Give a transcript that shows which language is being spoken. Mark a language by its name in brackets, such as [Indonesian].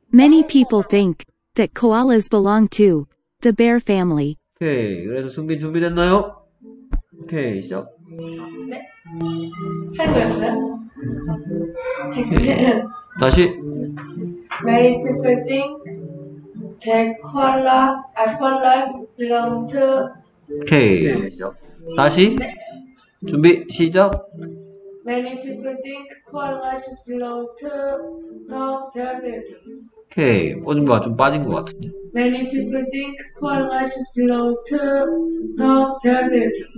[English] Many people think that koalas belong to the bear family. [Korean] 오케이, 그래서 승빈 준비됐나요? 오케이, 시작. 네. 최고였어요. 오케이, 다시. [English] Many people think that koalas belong to. [Korean] 오케이, 시작. 다시. 네. 준비, 시작. [English] Many people think koalas belong to the bear family. [Korean] 오케이, 뽑은 거좀 빠진 거 같은데. [English] Many people think koalas belong to the bear family.